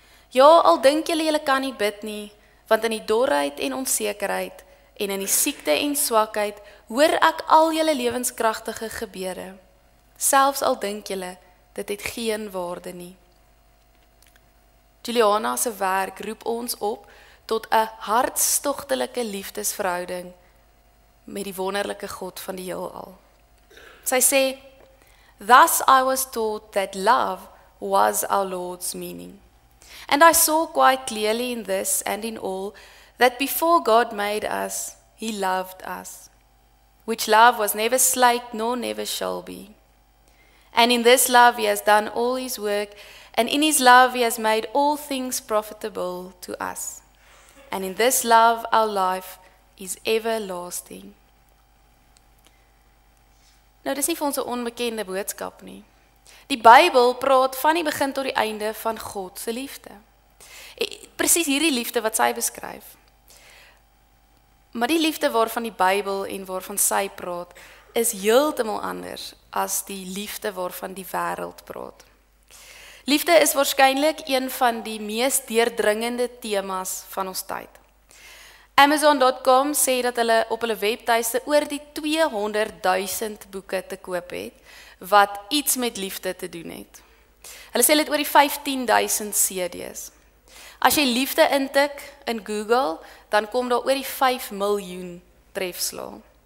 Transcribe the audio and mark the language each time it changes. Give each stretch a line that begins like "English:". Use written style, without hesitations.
Afrikaans: Ja, al dink julle kan nie bid nie, want in die dorheid en onsekerheid en in die siekte en swakheid hoor ek al julle lewenskragtige gebede, selfs al dink julle, dit het geen waarde nie. Juliana se werk roep ons op tot 'n hartstogtelike liefdesverhouding met die wonderlike God van die heelal. Sy sê,
English: thus I was taught that love was our Lord's meaning. And I saw quite clearly in this and in all, that before God made us, he loved us. Which love was never slight nor never shall be. And in this love he has done all his work, and in his love he has made all things profitable to us. And in this love our life is everlasting.
Afrikaans: Nou, dis nie vir ons 'n onbekende boodskap nie. Die Bybel praat van die begin tot die einde van God se liefde. Presies hierdie liefde wat sy beskryf. Maar die liefde waarvan die Bybel en waarvan sy praat, is heeltemal anders as die liefde waarvan die wêreld praat. Liefde is waarskynlik een van die mees deurdringende temas van ons tyd. Amazon.com sê dat hulle op hulle webtuiste oor die 200.000 boeke te koop het, wat iets met liefde te doen het. Hulle sê dit oor die 15.000 CD's. As jy liefde intik in Google, dan kom daar oor die 5 miljoen trefslae.